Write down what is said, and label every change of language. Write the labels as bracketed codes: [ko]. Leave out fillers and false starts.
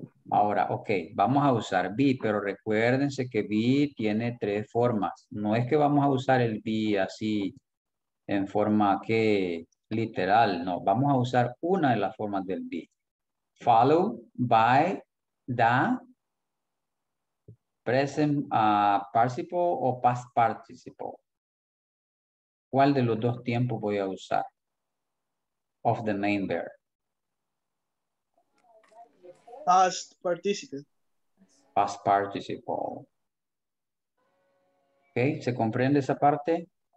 [es] Ahora, ok, vamos a usar be, pero recuérdense que be tiene tres formas. No es que vamos a usar el be así en forma que literal, no, vamos a usar una de las formas del be. [en] Followed by the present participle o past participle. [es] ¿Cuál de los dos tiempos voy a usar? [en] Of the main verb. Past participle. Past participle. [es] Okay, ¿se comprende esa parte?